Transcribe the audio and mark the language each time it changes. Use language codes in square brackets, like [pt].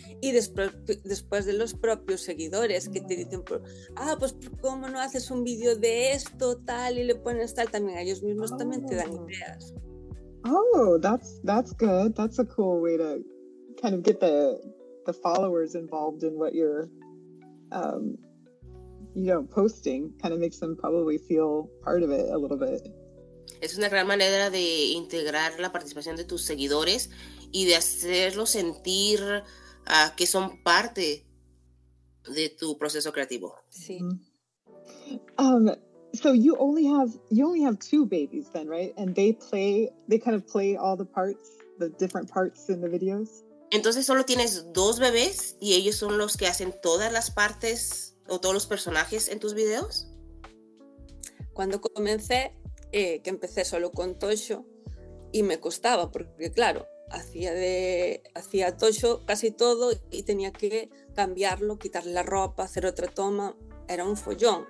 [es] Y después de los propios seguidores que te dicen, pues cómo no haces un vídeo de esto, tal, y le pones tal, también ellos mismos también te dan ideas. [en] Oh, that's good. That's a cool way to kind of get the followers involved in what you're posting. Kind of makes them probably feel part of it a little bit. [es] Es una gran manera de integrar la participación de tus seguidores y de hacerlos sentir que son parte de tu proceso creativo. Sí. [en] So you only have two babies then, right? And they kind of play all the parts, the different parts in the videos. [es] Entonces solo tienes dos bebés y ellos son los que hacen todas las partes o todos los personajes en tus videos. Cuando comencé, que empecé solo con Tocho y me costaba porque claro, hacía Tocho casi todo y tenía que cambiarlo, quitarle la ropa, hacer otra toma, era un follón.